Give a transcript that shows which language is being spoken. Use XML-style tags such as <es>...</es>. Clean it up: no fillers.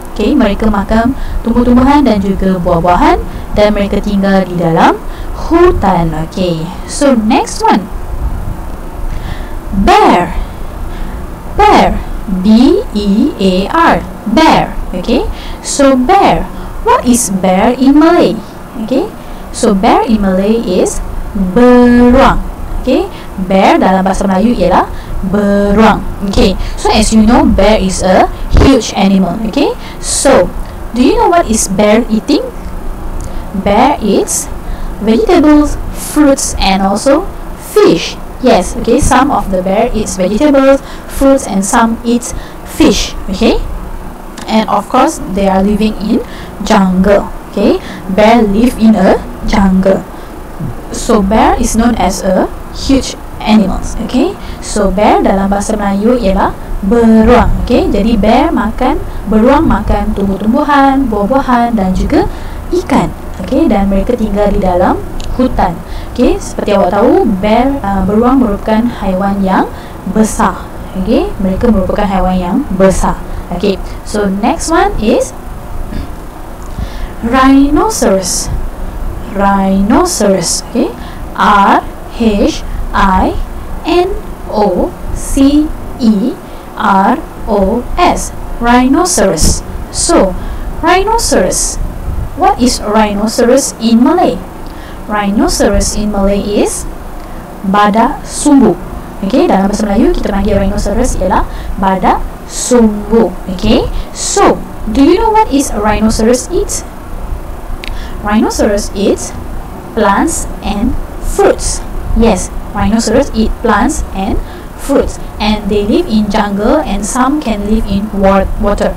<ms>Okay, mereka makan tumbuh-tumbuhan dan juga buah-buahan dan mereka tinggal di dalam hutan.</ms> <en>Okay, so next one, bear. Bear, B-E-A-R, bear. Okay, so bear, what is bear in Malay? Okay, so bear in Malay is beruang.</en> <ms>Okay, bear dalam bahasa Melayu ialah beruang.</ms> <en>Okay, so as you know, bear is a huge animal. Okay, so do you know what is bear eating? Bear eats vegetables, fruits, and also fish. Yes, okay, some of the bear eats vegetables, fruits, and some eats fish. Okay, and of course they are living in jungle. Okay, bear live in a jungle. So bear is known as a huge animals.</en> <ms>Okay, so bear dalam bahasa Melayu ialah beruang. Okay, jadi bear makan, beruang makan tumbuh-tumbuhan, buah-buahan dan juga ikan. Okay, dan mereka tinggal di dalam hutan. Okay, seperti awak tahu, bear beruang merupakan haiwan yang besar. Okay, mereka merupakan haiwan yang besar.</ms> <en>Okay, so next one is rhinoceros. Rhinoceros. Okay, R H I N O C E R O S. Rhinoceros. So, rhinoceros. What is rhinoceros in Malay? Rhinoceros in Malay is badak sumbu.</en> <ms>Okay, dalam bahasa Melayu kita panggil rhinoceros ialah badak sumbu.</ms> <en>Okay, so do you know what is rhinoceros eat? Rhinoceros eat plants and fruits. Yes, rhinoceros eat plants and fruits, and they live in jungle, and some can live in water.</en>